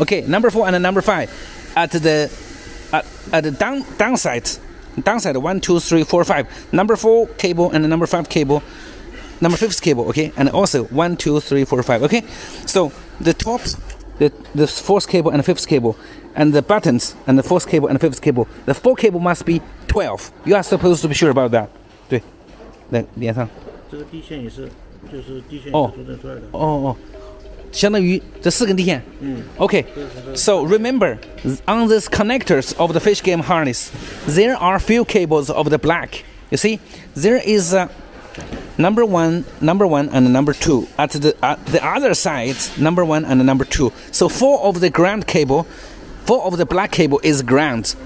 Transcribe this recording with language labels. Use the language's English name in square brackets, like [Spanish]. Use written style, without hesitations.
[English] Okay, number 4 and number 5. At the downside, 1, 2, 3, 4, 5. Number 4 cable and number 5 cable number fifth cable, okay? And also 1, 2, 3, 4, 5, okay? So the top, the fourth cable and the fifth cable, and the buttons and the fourth cable and the fifth cable, the fourth cable must be 12. You are supposed to be sure about that. [Chinese] 对，来连上。这个地线也是，就是地线是中间出来的。哦，相当于这四根地线。嗯。 [English] Okay. So remember, on these connectors of the fish game harness, there are few cables of the black. You see, there is number one and number two at the other side. Number one and number two. So four of the ground cable, four of the black cable is ground.